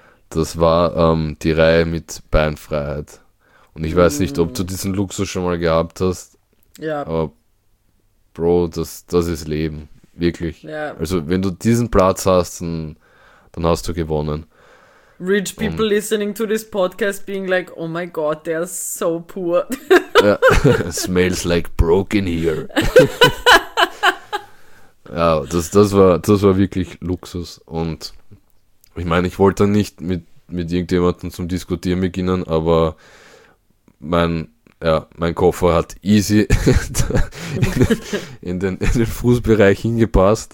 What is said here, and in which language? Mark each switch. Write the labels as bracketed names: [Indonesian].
[German] Das war die Reihe mit Beinfreiheit. Und ich weiß nicht, ob du diesen Luxus schon mal gehabt hast, Ja. aber Bro, das ist Leben. Wirklich. Ja. Also, wenn du diesen Platz hast, dann hast du gewonnen. [English] Rich people [German] Und. [English] listening to this podcast being like, oh my god, they are so poor. Ja, smells like broken here. [German] Ja, das war wirklich Luxus. Und ich meine, ich wollte dann nicht mit irgendjemandem zum Diskutieren beginnen, aber mein Koffer hat easy in den Fußbereich hingepasst.